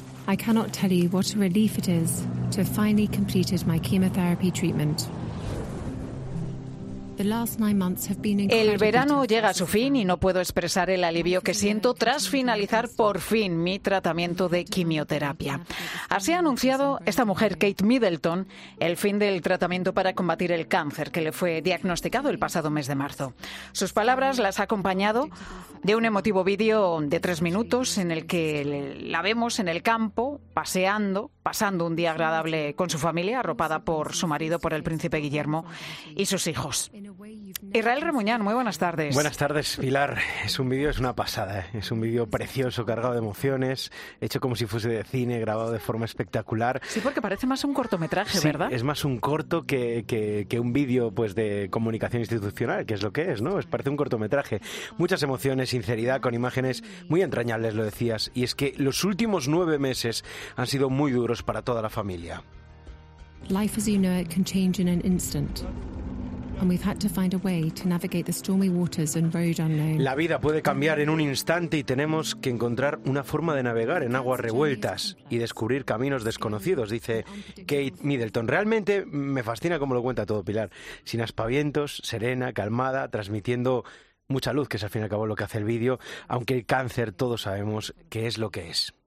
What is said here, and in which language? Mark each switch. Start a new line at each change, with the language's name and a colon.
English: I cannot tell you what a relief it is to have finally completed my chemotherapy treatment.
Spanish: El verano llega a su fin y no puedo expresar el alivio que siento tras finalizar por fin mi tratamiento de quimioterapia. Así ha anunciado esta mujer, Kate Middleton, el fin del tratamiento para combatir el cáncer que le fue diagnosticado el pasado mes de marzo. Sus palabras las ha acompañado de un emotivo vídeo de 3 minutos en el que la vemos en el campo, paseando, pasando un día agradable con su familia, arropada por su marido, por el príncipe Guillermo, y sus hijos. Israel Remuñán, muy buenas tardes. Buenas tardes, Pilar. Es un vídeo, es una pasada, ¿eh? Es un vídeo precioso, cargado de emociones, hecho como si fuese de cine, grabado de forma espectacular. Sí, porque parece más un cortometraje, ¿verdad? Sí, es más un corto que un vídeo pues, de comunicación institucional, que es lo que es, ¿no? Es, parece un cortometraje. Muchas emociones, sinceridad, con imágenes muy entrañables, lo decías. Y es que los últimos 9 meses han sido muy duros para toda la familia.
English: Life as you know it can change in an instant. And we've had to find a way to navigate the stormy waters and road unknown.
Spanish: La vida puede cambiar en un instante y tenemos que encontrar una forma de navegar en aguas revueltas y descubrir caminos desconocidos, dice Kate Middleton. Realmente me fascina cómo lo cuenta todo, Pilar. Sin aspavientos, serena, calmada, transmitiendo mucha luz, que es al fin y al cabo lo que hace el vídeo, aunque el cáncer todos sabemos que es lo que es.